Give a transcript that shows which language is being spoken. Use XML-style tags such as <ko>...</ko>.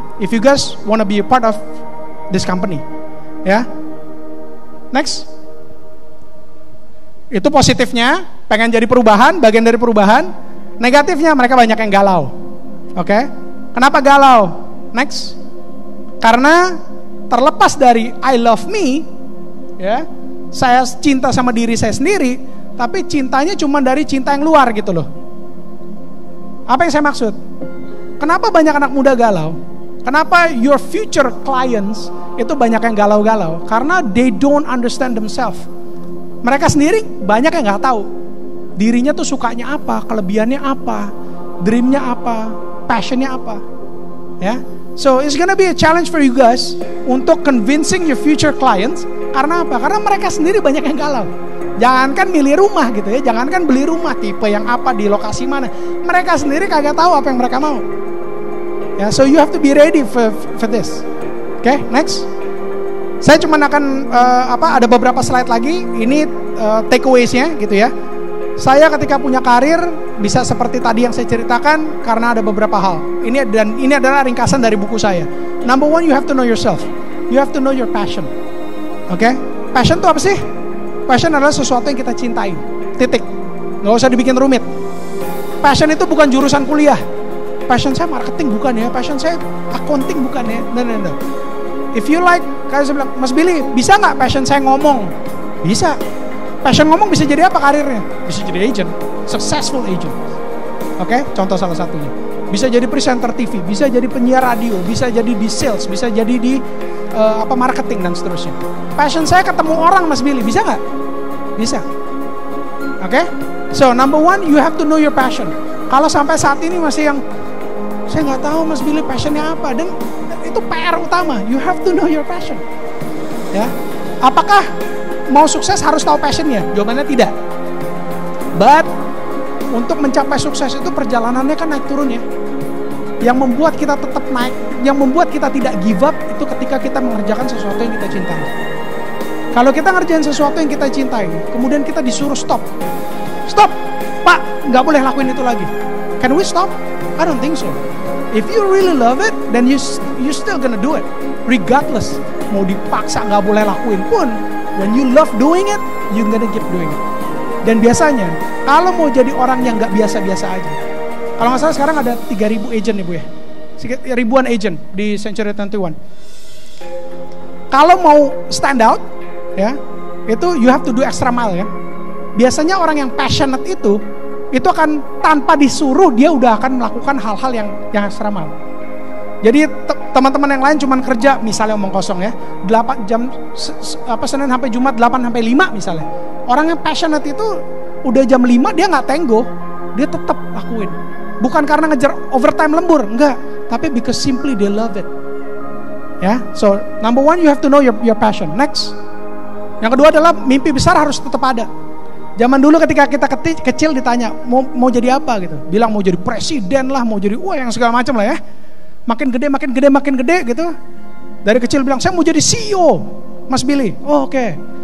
<en>If you guys wanna be a part of this company. Ya. Yeah. Next.</en> <id>Itu positifnya, pengen jadi perubahan, bagian dari perubahan. Negatifnya mereka banyak yang galau. Oke. Okay. Kenapa galau? Next. Karena terlepas dari</id> <en>I love me,</en> <id>ya, saya cinta sama diri saya sendiri, tapi cintanya cuma dari cinta yang luar gitu loh. Apa yang saya maksud? Kenapa banyak anak muda galau? Kenapa</id> <en>your future clients</en> <id>itu banyak yang galau-galau?</id> <en>Karena they don't understand themselves.</en> <id>Mereka sendiri banyak yang gak tahu dirinya tuh sukanya apa, kelebihannya apa, dreamnya apa, passionnya apa. Ya.</id> <en>So it's gonna be a challenge for you guys untuk convincing your future clients.</en> <id>Karena apa? Karena mereka sendiri banyak yang galau. Jangankan milih rumah gitu ya, jangankan beli rumah, tipe yang apa, di lokasi mana, mereka sendiri kagak tahu apa yang mereka mau.</id> <en>Yeah, so you have to be ready for this. Okay, next.</en> <id>Saya cuma akan ada beberapa slide lagi. Ini takeaways-nya gitu ya. Saya ketika punya karir bisa seperti tadi yang saya ceritakan karena ada beberapa hal. Ini adalah ringkasan dari buku saya.</id> <en>Number one, you have to know yourself. You have to know your passion. Oke? Okay?</en> <id>Passion itu apa sih? Passion adalah sesuatu yang kita cintai. Titik. Gak usah dibikin rumit. passion itu bukan jurusan kuliah. Passion saya marketing bukan ya. Passion saya accounting bukan ya.</id> <en>No. If you like,</en> <id>kayak saya bilang, Mas Billy, bisa gak passion saya ngomong? Bisa. Passion ngomong bisa jadi apa karirnya? Bisa jadi agent.</id> <en>Successful agent.</en> <id>Oke, contoh salah satunya. Bisa jadi presenter TV, bisa jadi penyiar radio, bisa jadi di sales, bisa jadi di marketing dan seterusnya. Passion saya ketemu orang, Mas Billy. Bisa gak? Bisa. Oke?</id> <en>So, number one, you have to know your passion.</en> <id>Kalau sampai saat ini masih yang, saya gak tahu Mas Billy passionnya apa. Dan itu PR utama.</id> <en>You have to know your passion. Ya?</en> <id>Apakah mau sukses harus tahu passionnya? Jawabannya tidak. But, untuk mencapai sukses itu perjalanannya kan naik turun ya. Yang membuat kita tetap naik, yang membuat kita tidak give up itu ketika kita mengerjakan sesuatu yang kita cintai. Kalau kita ngerjain sesuatu yang kita cintai, kemudian kita disuruh stop. Stop! Pak, gak boleh lakuin itu lagi.</id> <en>Can we stop? I don't think so. If you really love it, then you still gonna do it. Regardless,</en> <id>mau dipaksa gak boleh lakuin pun,</id> <en>when you love doing it, you're gonna keep doing it.</en> <id>Dan biasanya, kalau mau jadi orang yang gak biasa-biasa aja, kalau gak salah sekarang ada 3.000 agent nih Bu ya, ribuan agent di Century 21. Kalau mau stand out, ya, itu</id> <en>you have to do extra mile</en> <id>ya. Biasanya orang yang passionate itu akan tanpa disuruh, dia udah akan melakukan hal-hal yang extra mile. Jadi teman-teman yang lain cuma kerja, misalnya omong kosong ya, 8 jam, Senin sampai Jumat, 8 sampai 5 misalnya. Orang yang passionate itu udah jam 5 dia gak tenggo, dia tetap lakuin. Bukan karena ngejar overtime lembur, enggak. Tapi</id> <en>because simply they love it. Yeah? So number one, you have to know your passion. Next.</en> <id>Yang kedua adalah mimpi besar harus tetap ada. Zaman dulu ketika kita kecil ditanya, mau jadi apa gitu. Bilang mau jadi presiden lah, mau jadi yang segala macam lah ya. Makin gede gitu. Dari kecil bilang, saya mau jadi CEO, Mas Billy. Oh, oke. Okay.</id>